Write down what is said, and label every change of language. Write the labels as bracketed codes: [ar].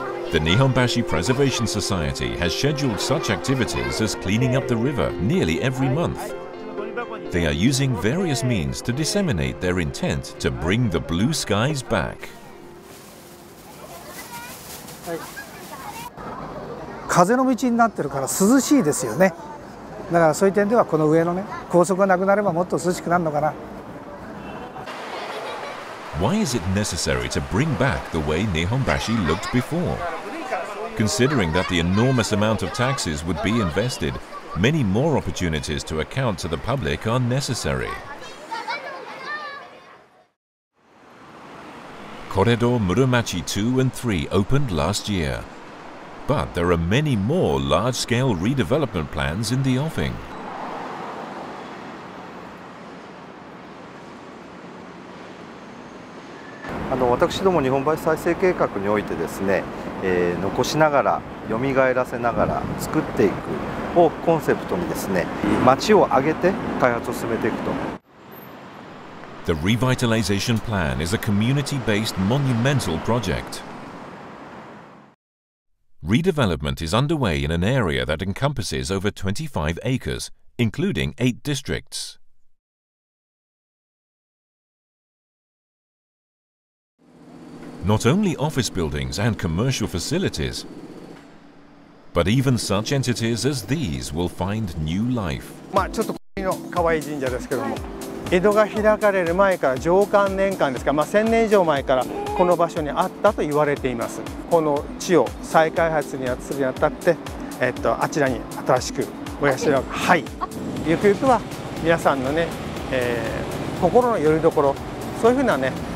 [en] The Nihonbashi Preservation Society has scheduled such activities as cleaning up the river nearly every month. They are using various means to disseminate their intent to bring the blue skies back. [ja] 風の道になってるから涼しいですよね。だからそういう点ではこの上のね、高速がなくなればもっと涼しくなるのかな。 [en] Why is it necessary to bring back the way Nihonbashi looked before? Considering that the enormous amount of taxes would be invested, many more opportunities to account to the public are necessary. Corridor Muromachi 2 and 3 opened last year. But there are many more large-scale redevelopment plans in the offing. [ja] あの私ども日本橋再生計画においてですね、残しながら蘇らせながら作っていくをコンセプトにですね、町を挙げて開発を進めていくと。 [en] The Revitalization Plan is a community-based monumental project. Redevelopment is underway in an area that encompasses over 25 acres, including 8 districts. Not only office buildings and commercial facilities, but even such entities as these will find new life. [ja] まあちょっとこの可愛い神社ですけども、江戸が開かれる前から上巻年間ですか、まあ千年以上前からこの場所にあったと言われています。この地を再開発にあたるにあたって、あちらに新しくお社が、はい、ゆくゆくは皆さんのね、心の拠り所、そういうふうなね。